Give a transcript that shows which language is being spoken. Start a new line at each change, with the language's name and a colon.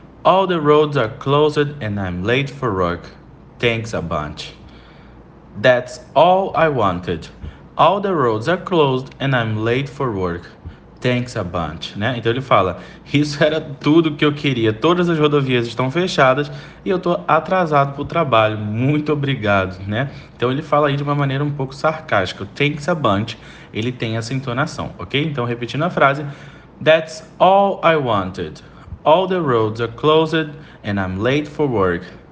English: All the roads are closed and I'm late for work. Thanks a bunch. That's all I wanted. All the roads are closed and I'm late for work. Thanks a bunch, né?
Portuguese: Então ele fala, isso era tudo que eu queria. Todas as rodovias estão fechadas e eu tô atrasado pro trabalho. Muito obrigado, né? Então ele fala aí de uma maneira um pouco sarcástica.
English: Thanks a bunch,
Portuguese: ele tem essa entonação, ok? Então repetindo a frase,
English: That's all I wanted. All the roads are closed and I'm late for work.